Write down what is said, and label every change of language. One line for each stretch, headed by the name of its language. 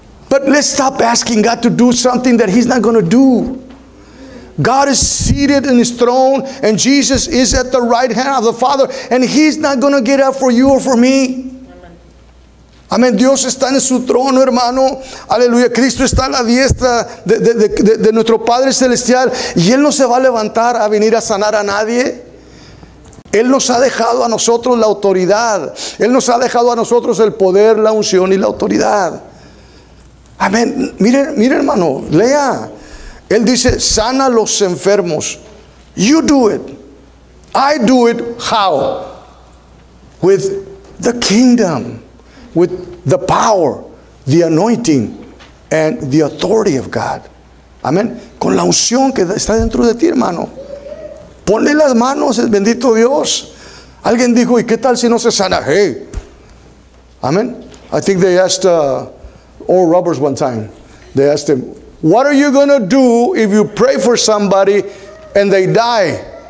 English: But let's stop asking God to do something that He's not going to do. God is seated in His throne and Jesus is at the right hand of the Father and He's not going to get up for you or for me.
Spanish: Amén. Dios está en su trono, hermano. Aleluya. Cristo está a la diestra de nuestro Padre Celestial y Él no se va a levantar a venir a sanar a nadie. Él nos ha dejado a nosotros la autoridad. Él nos ha dejado a nosotros el poder, la unción y la autoridad. Amén. Mire, mire, hermano, lea. Él dice, sana a los enfermos.
English: You do it. I do it. How? With the kingdom. With the power, the anointing, and the authority of God.
Spanish: Amén. Con la unción que está dentro de ti, hermano. Ponle las manos, el bendito Dios. Alguien dijo, ¿y qué tal si no se sana?
English: Hey. Amen. I think they asked Oral Roberts one time. They asked him, what are you going to do if you pray for somebody and they die?